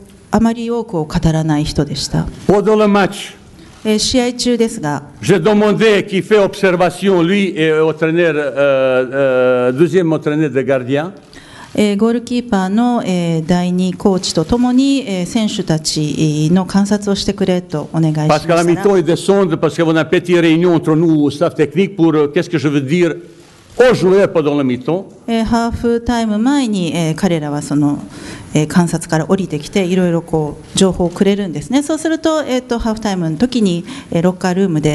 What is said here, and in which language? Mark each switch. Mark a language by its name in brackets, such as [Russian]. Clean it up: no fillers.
[Japanese] あまり多くを語らない人でした。 [French] Pendant le match. [Japanese] 試合中ですが、 [French] j'ai demandé qu'il fait observation lui et au traîneur, deuxième entraîneur de gardien. [Japanese] ゴールキーパーの第二コーチとともに選手たちの観察をしてくれとお願いしました。 [French] Parce que la mi-temps est descendu parce qu'on a une petite réunion entre nous staff technique pour qu'est-ce que je veux dire aux joueurs pendant la mi-temps. [Japanese] ハーフタイム前に彼らはその観察から降りてきて、いろいろこう情報をくれるんですね。そうすると、ハーフタイムの時にロッカールームで